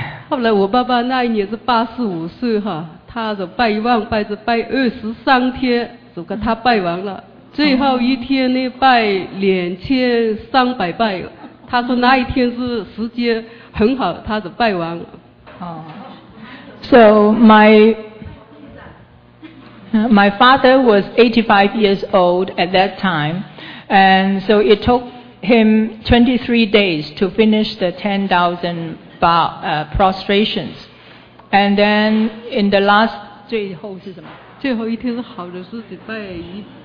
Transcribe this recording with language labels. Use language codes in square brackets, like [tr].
[zh] 後來我爸爸那一年是85歲哈，他就拜一萬拜，就拜23天，就跟他拜完了。最后一天呢，拜2300拜，他说那一天是时间很好，他就拜完了。 [en] So my father was 85 years old at that time, and so it took him 23 days to finish the 10,000 prostrations, and then in the last [zh] 最后是什么？最后一天是好的，是只拜一。